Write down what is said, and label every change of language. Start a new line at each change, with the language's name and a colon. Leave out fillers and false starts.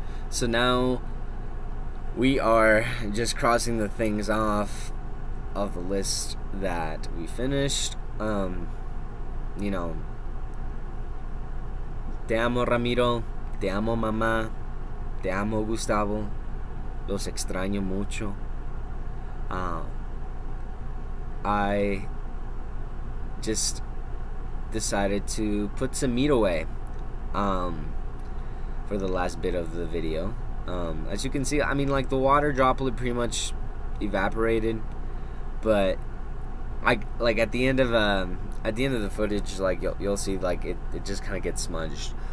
English: So now we are just crossing the things off of the list that we finished. You know,
Spanish: te amo Ramiro, te amo mamá, te amo Gustavo, los extraño mucho.
English: I just decided to put some meat away for the last bit of the video. As you can see, I mean, like, the water droplet pretty much evaporated, but I, like, at the end of the footage, like, you'll see, like, it just kind of gets smudged.